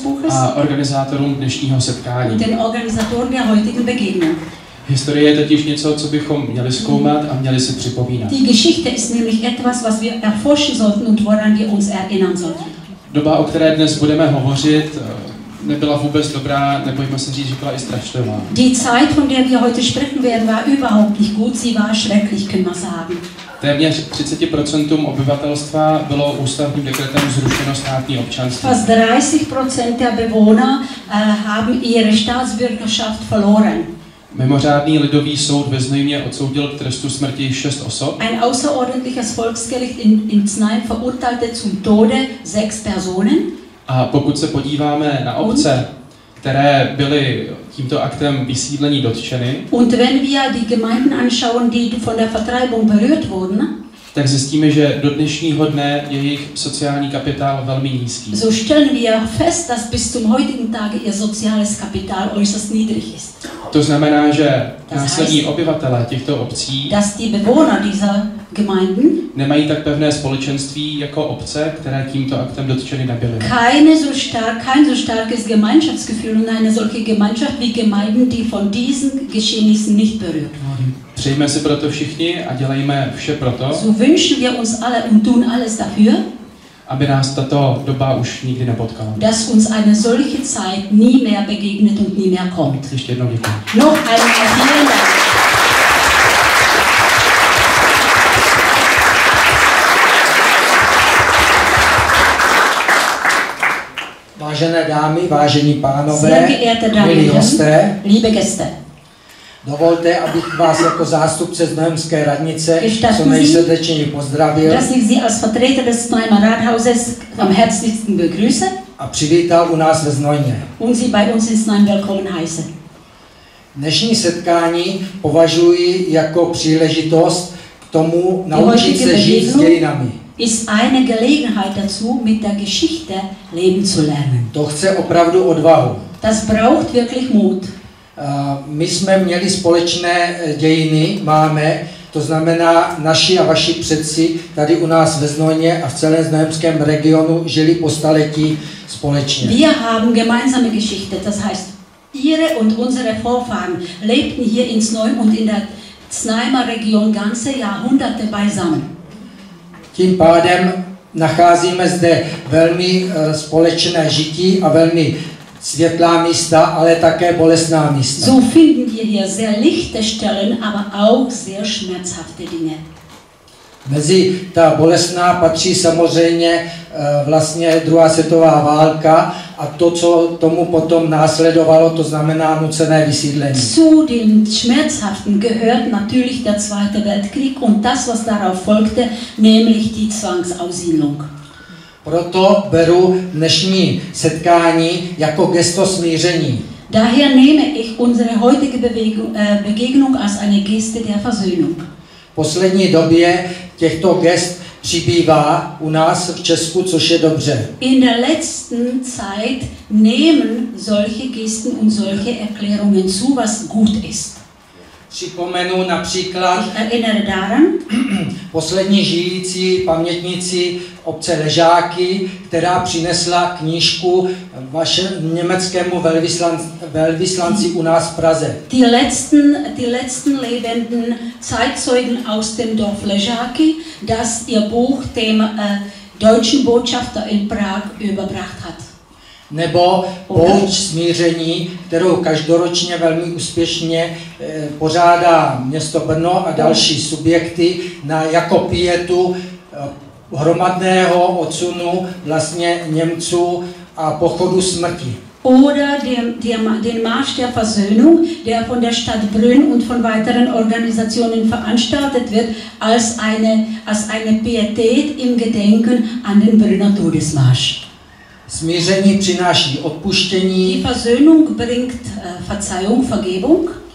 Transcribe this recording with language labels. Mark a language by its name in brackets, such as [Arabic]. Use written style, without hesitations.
[Czech] a organizátorům dnešního setkání. [German] Den Organisatoren der heutigen Begegnung. [Czech] Historie je totiž něco, co bychom měli zkoumat a měli si připomínat. [German] Die Geschichte ist nämlich etwas, was wir erforschen sollten und woran wir uns erinnern sollten. [Czech] Doba, o které dnes budeme hovořit, nebyla vůbec dobrá, nebojme se říct, že byla i strašlivá. [German] Die Zeit, von der wir heute sprechen werden, war überhaupt nicht gut, sie war schrecklich, können wir sagen. [Czech] Téměř 30% obyvatelstva bylo ústavním dekretem zrušeno státní občanství. [German] Fast 30% der Bewohner haben ihre Staatsbürgerschaft verloren. [Czech] Mimořádný lidový soud ve Znojmě odsoudil k trestu smrti 6 osob. [German] Ein außerordentliches Volksgericht in Znojmě verurteilte zum Tode 6 Personen. [Czech] A pokud se podíváme na obce, které byly tímto aktem vysídlení dotčeny, [German] und wenn wir die Gemeinden anschauen, die von der Vertreibung berührt wurden, [Czech] tak zjistíme, že do dnešního dne je jejich sociální kapitál velmi nízký. [German] So stellen wir fest, dass bis zum heutigen Tage ihr soziales Kapital äußerst niedrig ist. [Czech] To znamená, že následní obyvatelé těchto obcí, [German] dass die Bewohner dieser Gemeinden, [Czech] nemají tak pevné společenství jako obce, které tímto aktem dotčeny nebyly. [German] Kein so starkes Gemeinschaftsgefühl und eine solche Gemeinschaft wie Gemeinden, die von diesen Geschehnissen nicht berührt wurden. [Czech] Přejme si proto všichni a dělejme vše proto. [German] So wünschen wir uns alle und tun alles dafür, [Czech] aby nás tato doba už nikdy nepotkala. [German] Dass uns eine solche Zeit nie mehr begegnet und nie mehr kommt. [Czech] Ještě jednou děkuji. [German] Noch einmal vielen Dank. [Czech] Vážené dámy, vážení pánové, milí hosté, [German] liebe Gäste. [Czech] Dovolte, abych vás jako zástupce Znojemské radnice co nejsrdečněji pozdravil. [German] Dass ich Sie als Vertreter des Znojmer Rathauses am herzlichsten begrüße. [Czech] A přivítal u nás ve Znojmě. [German] Und Sie bei uns in Znojm willkommen heißen. [Czech] Dnešní setkání považuji jako příležitost k tomu naučit se žít s dějinami. [German] Ist eine Gelegenheit dazu, mit der Geschichte leben zu lernen. [Czech] To chce opravdu odvahu. [German] Das braucht wirklich Mut. [Czech] My jsme měli společné dějiny, máme, to znamená naši a vaši předci tady u nás ve Znojmě a v celém znojemském regionu žili po staletí společně. [German] Wir haben gemeinsame Geschichte, das heißt, ihre und unsere Vorfahren lebten hier in Znojm und in der Znojmer Region ganze Jahrhunderte beisammen. [Czech] Tím pádem nacházíme zde velmi společné žití a velmi světlá místa, ale také bolestná místa. [German] So finden wir hier sehr lichte Stellen, aber auch sehr schmerzhafte Dinge. [Czech] Mezi ta bolestná patří samozřejmě vlastně druhá světová válka a to, co tomu potom následovalo, to znamená nucené vysídlení. [German] Zu den schmerzhaften gehört natürlich der Zweite Weltkrieg und das, was darauf folgte, nämlich die Zwangsaussiedlung. [Czech] Proto beru dnešní setkání jako gesto smíření. [German] Daher nehme ich unsere heutige Begegnung als eine Geste der Versöhnung. [Czech] V poslední době těchto gest přibývá u nás v Česku, což je dobře. [German] In der letzten Zeit nehmen solche Gesten und solche Erklärungen zu, was gut ist. [Czech] připomenu například Innerdaren, poslední žijící pamětnici obce Ležáky, která přinesla knížku vašemu německému velvyslanci u nás v Praze. [German] Die letzten lebenden Zeitzeugen aus dem Dorf Ležáky, das ihr Buch dem deutschen Botschafter in Prag überbracht hat. [Czech] Nebo pouč smíření, kterou každoročně velmi úspěšně pořádá město Brno a další subjekty na jako pietu hromadného odsunu vlastně Němců a pochodu smrti. [German] Oder den Marsch der Versöhnung, der von der Stadt Brünn und von weiteren Organisationen veranstaltet wird, als eine Pietät im Gedenken an den Brünner Todesmarsch. [Czech] Smíření přináší odpuštění. [German] Die Versöhnung bringt Verzeihung, Vergebung.